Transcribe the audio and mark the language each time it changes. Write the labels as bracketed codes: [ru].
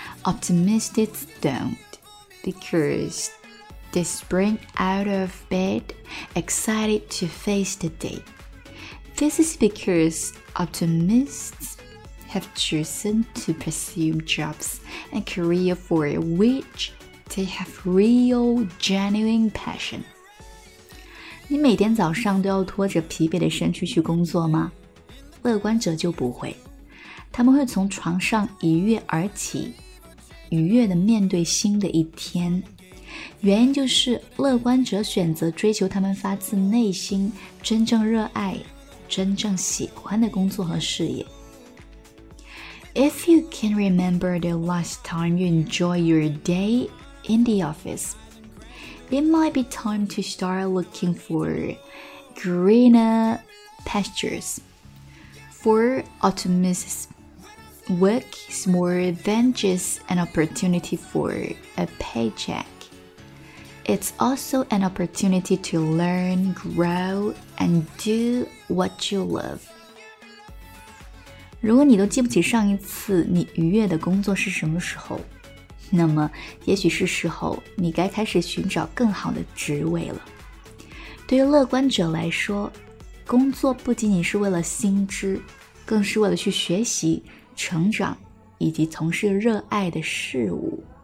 [en] Optimists don't, because they spring out of bed excited to face the day. This is because optimistshave chosen to pursue jobs and career for which they have real, genuine passion. [zh] 你每天早上都要拖着疲惫的身躯去工作吗？乐观者就不会，他们会从床上一跃而起，愉悦地面对新的一天。原因就是乐观者选择追求他们发自内心真正热爱、真正喜欢的工作和事业。 [en] If you can remember the last time you enjoyed your day in the office, it might be time to start looking for greener pastures. For optimists, work is more than just an opportunity for a paycheck. It's also an opportunity to learn, grow, and do what you love. [zh] 如果你都记不起上一次你愉悦的工作是什么时候，那么也许是时候你该开始寻找更好的职位了。对于乐观者来说，工作不仅仅是为了薪资，更是为了去学习、成长以及从事热爱的事物。